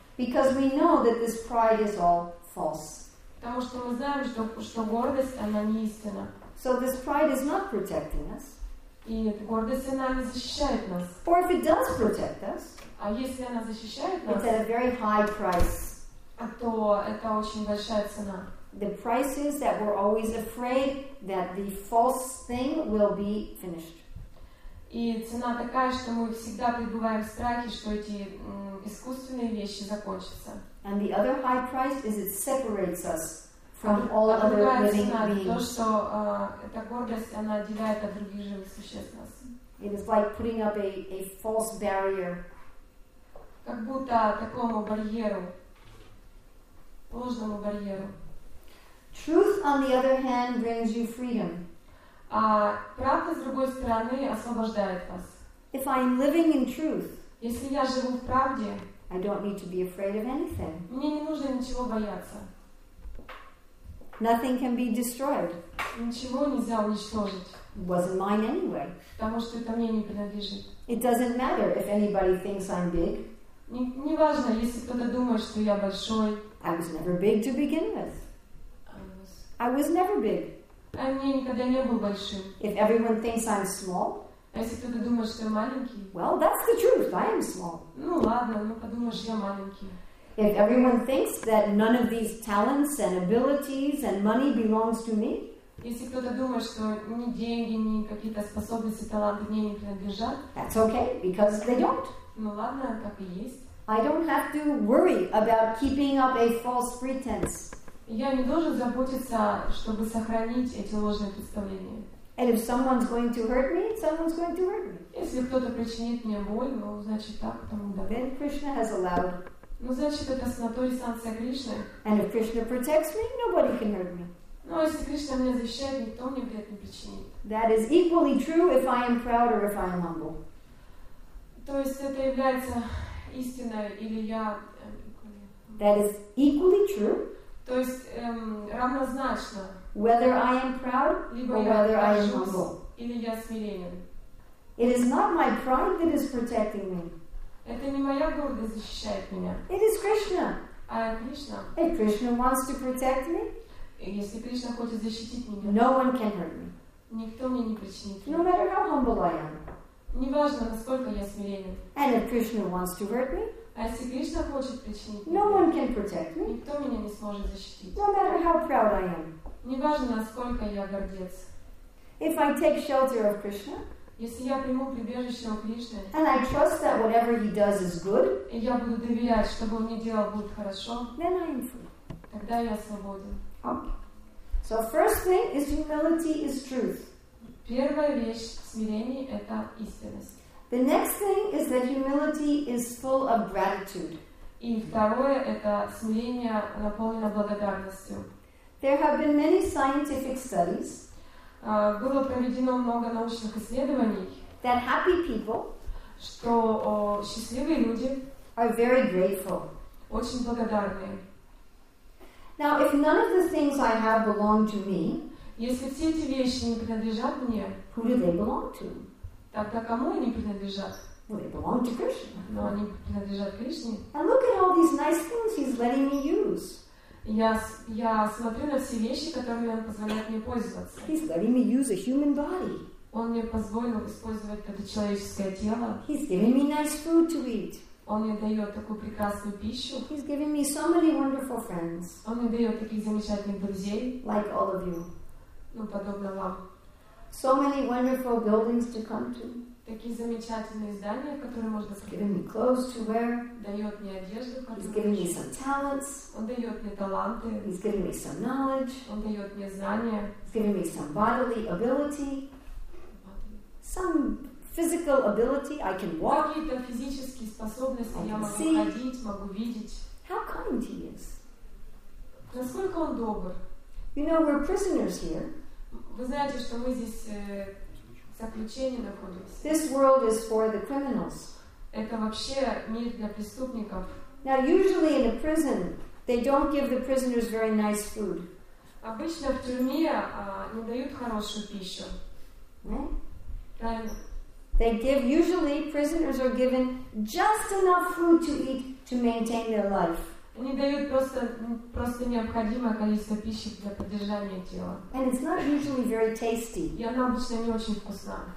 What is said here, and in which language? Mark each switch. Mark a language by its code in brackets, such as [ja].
[en] Because we know that this pride is all false. [ru] Потому что мы знаем, что гордость, она не истина. [en] So this pride is not protecting us. [ru] И гордость, она не защищает нас. [en] Or if it does protect us, [ru] а если она защищает нас, [en] it's at a very high price. [ru] А то это очень большая цена. [en] The price is that we're always afraid that the false thing will be finished. [ru] И цена такая, что мы всегда пребываем в страхе, что эти искусственные вещи закончатся. [en] And the other high price is it separates us from all other living beings. [ru] То, что эта гордость, она отделяет от других живых существ нас. [en] It is like putting up a false barrier. [ru] Как будто такому барьеру, ложному барьеру. [en] Truth, on the other hand, brings you freedom. [ru] А правда, с другой стороны, освобождает вас. [en] If I'm living in truth, [ru] если я живу в правде, [en] I don't need to be afraid of anything. [ru] Мне не нужно ничего бояться. [en] Nothing can be destroyed. [ru] Ничего нельзя уничтожить. [en] It wasn't mine anyway. [ru] Потому что это мне не принадлежит. [en] It doesn't matter if anybody thinks I'm big. [ru] Не важно, если кто-то думает, что я большой. [en] I was never big to begin with. I was never big. [ru] А мне никогда не был большим. [en] If everyone thinks I'm small. [ru] А если кто-то думает, что я маленький. [en] Well, that's the truth. I am small. [ru] Ну ладно, ну подумаешь, я маленький. [en] If everyone thinks that none of these talents and abilities and money belongs to me, [ru] если кто-то думает, что ни деньги, ни какие-то способности, таланты мне не принадлежат, [en] that's okay, because they don't. [ru] Ну ладно, так и есть. [en] I don't have to worry about keeping up a false pretense. [ru] Я не должен заботиться, чтобы сохранить эти ложные представления. [en] And if someone's going to hurt me, someone's going to hurt me. [ru] Если кто-то причинит мне боль, ну значит так, потому да. [en] Then Krishna has allowed. [ru] Ну, значит, это санаторий санкция Кришны. [en] And if Krishna protects me, nobody can hurt me. [ru] Ну, если Кришна меня защищает, никто мне вред не причинит. [en] That is equally true if I am proud or if I am humble. [ru] То есть это является истиной, или я... [en] That is equally true. [ru] То есть равнозначно. [en] Whether I am proud or whether I am humble. [ru] Или я смиренен. [en] It is not my pride that is protecting me. [ru] Это не моя гордость защищает меня. [en] It is Krishna. [ru] А Кришна. [en] If Krishna wants to protect me, [ru] если Кришна хочет защитить меня, [en] no one can hurt me. [ru] Никто мне не причинит. [en] No matter how humble I am. [ru] Не важно, насколько я смиренен. [en] And if Krishna wants to hurt me, [ru] а если Кришна хочет причинить, [en] no one can protect me. [ru] Никто меня не сможет защитить. [en] No matter how proud I am. [ru] Не важно, насколько я гордец. [en] If I take shelter of Krishna, [ru] если я приму прибежище у Кришны, [en] and I trust that whatever he does is good, [ru] и я буду доверять, чтобы он мне делал будет хорошо, [en] then I am free. [ru] Тогда я свободен. [en] Okay. So first thing is humility is truth. [ru] Первая вещь смирение – это истинность. [en] The next thing is that humility is full of gratitude. [ru] И второе – это смирение наполнено благодарностью. [en] There have been many scientific studies. [ru] Было проведено много научных исследований, [en] that happy people, [ru] что счастливые люди, [en] are very grateful, [ru] очень благодарны. [en] Now, if none of the things I have belong to me, [ru] если все эти вещи не принадлежат мне, [en] who do they belong to? [ru] Тогда кому они принадлежат? [en] Well, they belong to Krishna. [ru] Но они принадлежат Кришне. [en] And look at all these nice things he's letting me use. [ru] Я смотрю на все вещи, которыми он позволяет мне пользоваться. [en] He's letting me use a human body. [ru] Он мне позволил использовать это человеческое тело. [en] He's giving me nice food to eat. [ru] Он мне дает такую прекрасную пищу. [en] He's giving me so many wonderful friends. [ru] Он мне дает таких замечательных друзей. [en] Like all of you. [ru] Ну, подобно вам. [en] So many wonderful buildings to come to. [ru] Такие замечательные здания, которые можно [en] He's giving me clothes to wear. [ru] Дает мне одежду, которую [en] He's giving me some talents. [ru] Он дает мне таланты. [en] He's giving me some knowledge. [ru] Он дает мне знания. [en] He's giving me some bodily ability. Some physical ability, I can walk. [ru] Какие-то физические способности, я могу ходить, могу видеть. [en] How kind he is. [ru] Насколько он добр. [en] You know, we're prisoners here. [ru] Вы знаете, что мы здесь в заключении находимся. [en] This world is for the criminals. [ru] Это вообще мир для преступников. [en] Now, usually in a prison, they don't give the prisoners very nice food. [ru] Обычно в тюрьме не дают хорошую пищу. [en] They give, usually prisoners are given just enough food to eat to maintain their life. [ru] Они дают просто необходимое количество пищи для поддержания тела. [en] And it's not usually very tasty. [ru] И она обычно не очень вкусна.